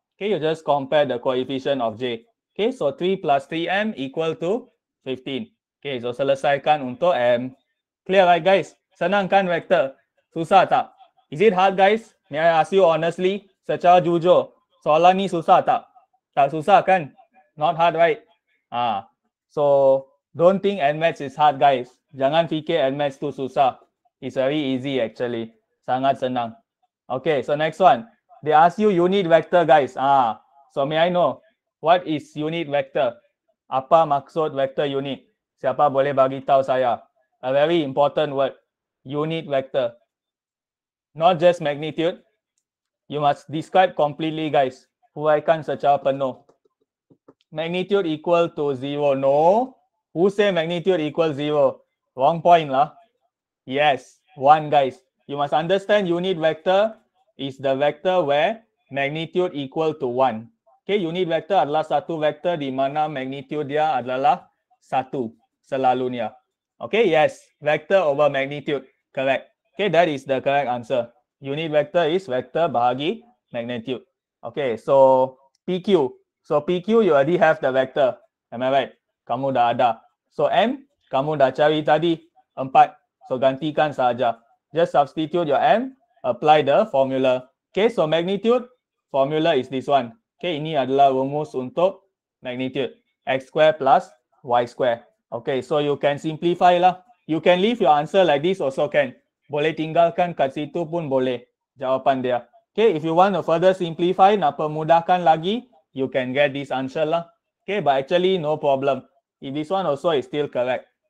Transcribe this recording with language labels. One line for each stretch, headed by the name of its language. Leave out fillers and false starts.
English: Okay, you just compare the coefficient of J. Okay, so 3 plus 3M equal to 15.
Malay: Okay, so selesaikan untuk M.
English: Clear, right, guys?
Malay: Senang kan vector? Susah tak?
English: Is it hard, guys? May I ask you honestly,
Malay: secara jujur, soalan ni susah tak? Tak susah kan?
English: Not hard, right? So, don't think NMATS is hard, guys.
Malay: Jangan fikir NMATS tu susah.
English: It's very easy, actually.
Malay: Sangat senang.
English: Okay, so next one. They ask you unit vector, guys. So, may I know, what is unit vector?
Malay: Apa maksud vector unit? Siapa boleh bagi tahu saya?
English: A very important word. Unit vector. Not just magnitude. You must describe completely, guys.
Malay: Huraikan secara penuh.
English: Magnitude equal to zero. No. Who say magnitude equal zero? Wrong point lah. Yes. One, guys. You must understand unit vector is the vector where magnitude equal to one. Okay.
Malay: Unit vector adalah satu vector di mana magnitude dia adalah satu selalunya.
English: Okay. Yes. Vector over magnitude. Correct. Okay. That is the correct answer. Unit vector is vector bahagi magnitude. Okay. So, PQ. So, PQ, you already have the vector. Am I right?
Malay: Kamu dah ada. So, M, kamu dah cari tadi. 4. So, gantikan sahaja.
English: Just substitute your M. Apply the formula. Okay. So, magnitude. Formula is this one. Okay.
Malay: Ini adalah rumus untuk magnitude.
English: X square plus Y square. Okay. So, you can simplify lah. You can leave your answer like this also can.
Malay: Boleh tinggalkan kat situ pun boleh. Jawapan dia. Okay.
English: If you want to further simplify,
Malay: nak permudahkan lagi,
English: you can get this answer lah. Okay, but actually no problem. If this one also is still correct.